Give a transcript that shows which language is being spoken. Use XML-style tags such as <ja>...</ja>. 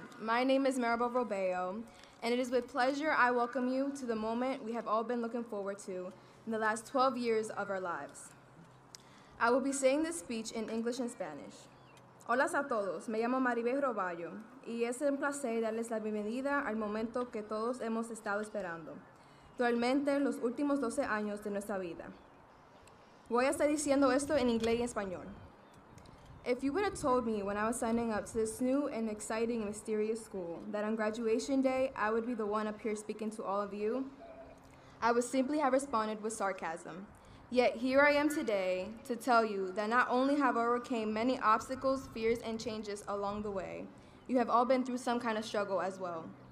<en>My name is Maribel Robeo, and it is with pleasure I welcome you to the moment we have all been looking forward to in the last 12 years of our lives. I will be saying this speech in English and Spanish.</en> <es>Hola a todos. Me llamo Maribel Robeo, y es un placer darles la bienvenida al momento que todos hemos estado esperando, realmente los últimos 12 años de nuestra vida. Voy a estar diciendo esto en inglés y español.</es> <en>If you would have told me when I was signing up to this new and exciting and mysterious school that on graduation day I would be the one up here speaking to all of you, I would simply have responded with sarcasm. Yet here I am today to tell you that not only have I overcame many obstacles, fears, and changes along the way, you have all been through some kind of struggle as well.</en>